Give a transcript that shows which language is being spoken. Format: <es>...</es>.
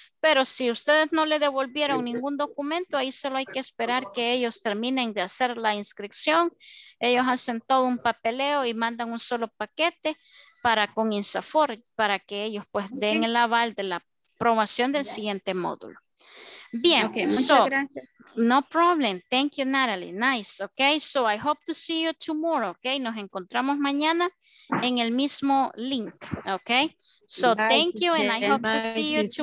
<es>Pero si ustedes no le devolvieron ningún documento, ahí solo hay que esperar que ellos terminen de hacer la inscripción. Ellos hacen todo un papeleo y mandan un solo paquete para con INSAFOR, para que ellos pues den el aval de la aprobación del siguiente módulo.</es> <en>Bien, okay, so, no problem. Thank you, Natalie. Nice, okay? So, I hope to see you tomorrow, okay?</en> <es>Nos encontramos mañana en el mismo link, okay?</es> <en>So, bye, thank you, teacher. And I hope bye, to see you teacher.</en>